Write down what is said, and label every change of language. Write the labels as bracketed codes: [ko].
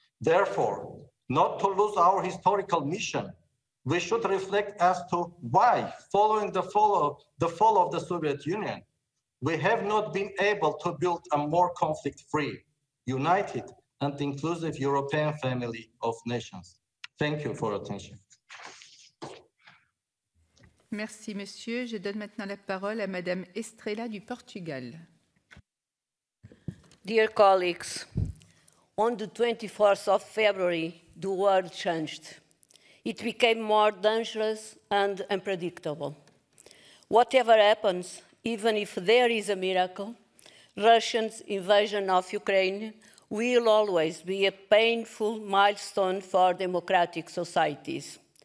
[en] Therefore, not to lose our historical mission, we should reflect as to why, following the fall of the Soviet Union, we have not been able to build a more conflict-free, united, and inclusive European family of nations. Thank you for attention. [fr] Merci, monsieur. Je donne maintenant la parole à Madame Estrela du Portugal. [en] Dear colleagues, on the 24th of February, the world changed. It became more dangerous and unpredictable. Whatever happens, even if there is a miracle, Russia's invasion of Ukraine will always be a painful milestone for democratic societies.